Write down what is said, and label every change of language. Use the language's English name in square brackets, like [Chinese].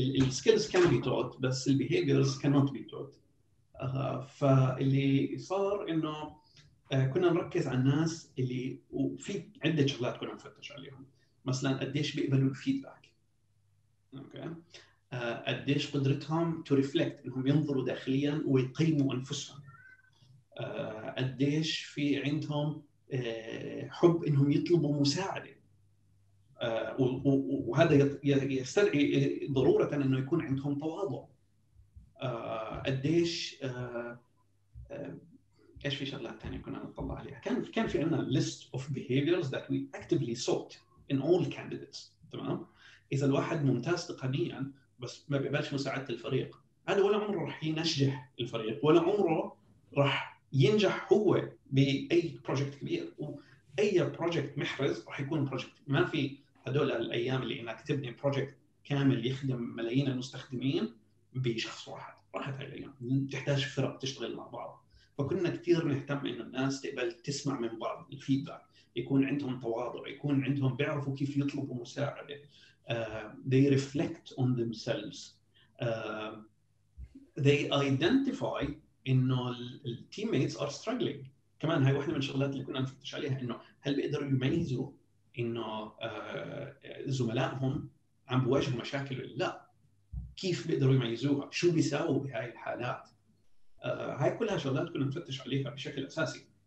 [English] skills can be taught [Arabic] بس الـ [English] behaviors cannot be taught. [Arabic] فاللي صار إنه كنا نركز على الناس اللي، وفي عدة شغلات كنا نفتش عليهم، مثلاً قديش بيقبلوا الفيدباك، okay. قديش قدرتهم [English] to reflect، [Arabic] إنهم ينظروا داخلياً ويقيموا أنفسهم، قديش في عندهم حب إنهم يطلبوا مساعدة، وهذا يستدعي ضرورة إنه يكون عندهم تواضع، قديش إيش في شغلات تانية كنا نطلع عليها. كان في عنا [English] list of behaviors that we actively sought in all candidates. [Arabic] تمام، إذا الواحد ممتاز تقنياً بس ما بيقبلش مساعدة الفريق، هذا ولا عمره رح ينجح الفريق، ولا عمره رح ينجح هو بأي بروجكت كبير. وأي بروجكت محرز رح يكون بروجكت، ما في هدول الأيام اللي إنك تبني بروجكت كامل يخدم ملايين المستخدمين بشخص واحد. راحت هاي الأيام، تحتاج فرق تشتغل مع بعض. فكنا كتير نهتم إن الناس تقبل تسمع من بعض الفيدباك، يكون عندهم تواضع، يكون عندهم بيعرفوا كيف يطلبوا مساعدة. [English] They reflect on themselves. They identify [Arabic] إنه ال [English] teammates are struggling. [Arabic] كمان هاي واحدة من الشغلات اللي كنا نفتش عليها، إنه هل بيقدروا يميزوا إنه زملائهم عم بواجهوا مشاكل ولا لا؟ كيف بيقدروا يميزوها؟ شو بيساووا بهاي الحالات؟ هاي كلها شغلات كنا نفتش عليها بشكل أساسي.